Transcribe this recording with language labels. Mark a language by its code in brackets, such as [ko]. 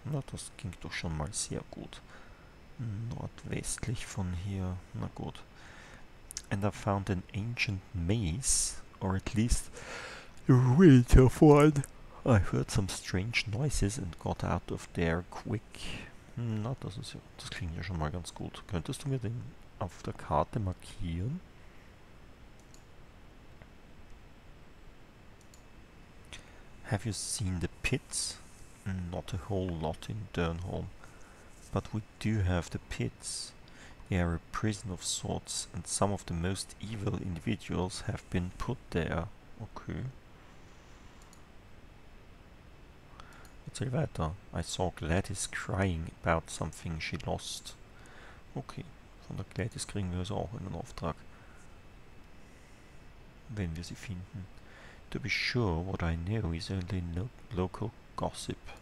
[de] Na, das ging doch schon mal sehr gut. Nordwestlich von hier. Na gut. [en] And I found an ancient maze, or at least I heard some strange noises and got out of there quick. [de] Na, das ist ja, das klingt ja schon mal ganz gut. Könntest du mir den auf der Karte markieren? [en] Have you seen the pits? Not a whole lot in Dernholm. But we do have the pits. They are a prison of sorts and some of the most evil individuals have been put there. Okay. [de] Erzähl weiter. [en] I saw Gladys crying about something she lost. [de] Okay, von der Gladys kriegen wir also auch einen Auftrag. Wenn wir sie finden. [en] To be sure, what I know is only local gossip.